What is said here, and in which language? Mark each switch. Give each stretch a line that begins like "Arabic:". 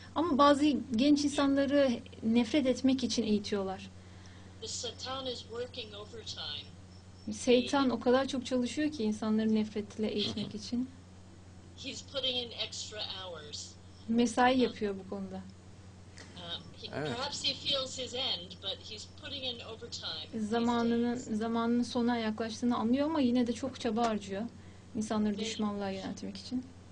Turkish: Ama bazı genç insanları nefret etmek için eğitiyorlar.
English: The Satan is working overtime.
Turkish: Şeytan o kadar çok çalışıyor ki insanları nefretle eğitmek için.
English: He's putting in extra hours.
Turkish: Mesai yapıyor bu konuda.
English: Perhaps he feels his end, but he's putting in overtime.
Turkish: Zamanının sona yaklaştığını anlıyor ama yine de çok çaba harcıyor insanları düşmanlığa yöneltmek için.